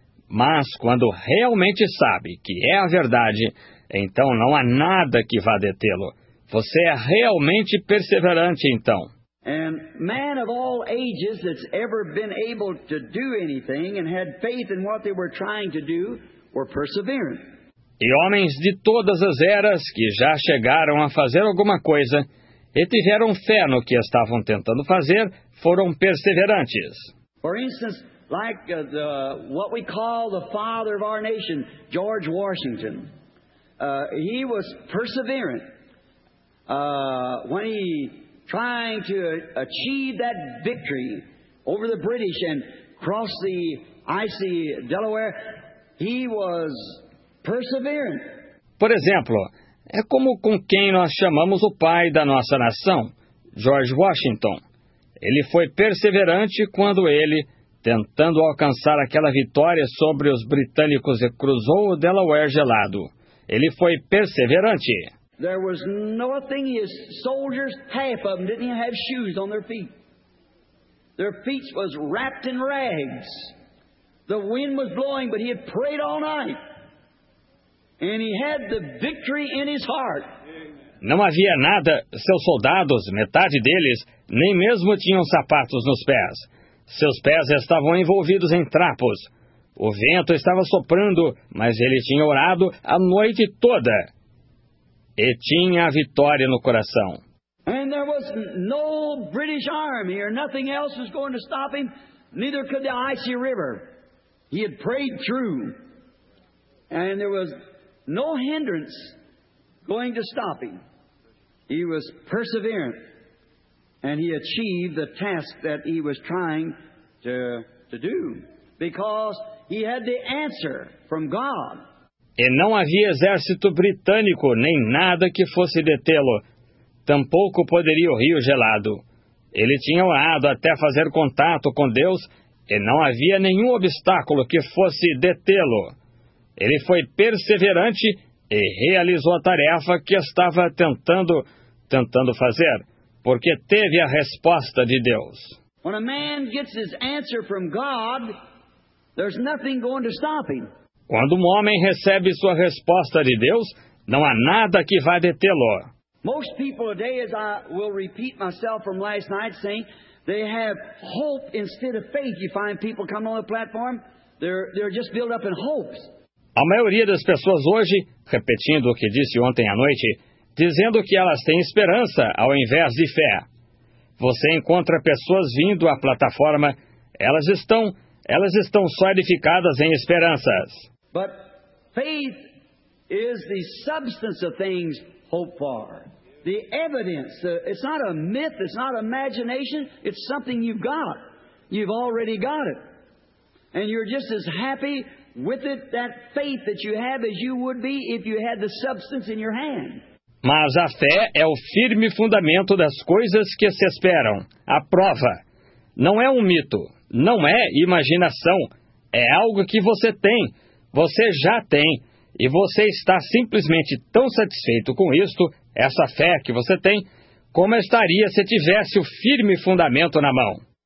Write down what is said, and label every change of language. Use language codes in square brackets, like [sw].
[pt] Mas quando realmente sabe que é a verdade, então não há nada que vá detê-lo. Você é realmente perseverante, então. [en] And man of all ages that's ever been able to do anything and had faith in what they were trying to do were perseverant. [pt] E homens de todas as eras que já chegaram a fazer alguma coisa e tiveram fé no que estavam tentando fazer foram perseverantes. [en] For instance, like the what we call the father of our nation, George Washington, he was perseverant. When he trying to achieve that victory over the British and cross the icy Delaware, he was perseverant. [pt] Por exemplo, é como com quem nós chamamos o pai da nossa nação, George Washington. Ele foi perseverante quando ele, tentando alcançar aquela vitória sobre os britânicos, cruzou o Delaware gelado. ele foi perseverante. [en] There was nothing his soldiers, half of them didn't have shoes on their feet. Their feet was wrapped in rags. The wind was blowing, but he had prayed all night. And he had the victory in his heart. [pt] Não havia nada, seus soldados, metade deles, nem mesmo tinham sapatos nos pés. Seus pés estavam envolvidos em trapos. O vento estava soprando, mas ele tinha orado a noite toda. E tinha a vitória no coração. [en] And there was no British army or nothing else was going to stop him, neither could the icy river. He had prayed through. And there was no hindrance going to stop him. He was perseverant and he achieved the task that he was trying to do because he had the answer from God. [pt] E não havia exército britânico nem nada que fosse detê-lo. Tampouco poderia o rio gelado. Ele tinha orado até fazer contato com Deus e não havia nenhum obstáculo que fosse detê-lo. Ele foi perseverante e realizou a tarefa que estava tentando fazer, porque teve a resposta de Deus. [en] When a man gets his answer from God, there's nothing going to stop him. [pt] Quando um homem recebe sua resposta de Deus, não há nada que vá detê-lo. [en] Most people today, as I will repeat myself from last night, saying they have hope instead of faith. You find people come on the platform, they're just built up in hopes. [pt] A maioria das pessoas hoje, repetindo o que disse ontem à noite, dizendo que elas têm esperança ao invés de fé. Você encontra pessoas vindo à plataforma, elas estão só edificadas em esperanças. [en] But faith is the substance of things hoped for. The evidence, it's not a myth, it's not imagination, it's something you've got. You've already got it. And you're just as happy with it, that faith that you have, as you would be if you had the substance in your hand. [pt] Mas a fé é o firme fundamento das coisas que se esperam, a prova. Não é um mito, não é imaginação, é algo que você tem, você já tem, e você está simplesmente tão satisfeito com isto, essa fé que você tem, como estaria se tivesse o firme fundamento na mão.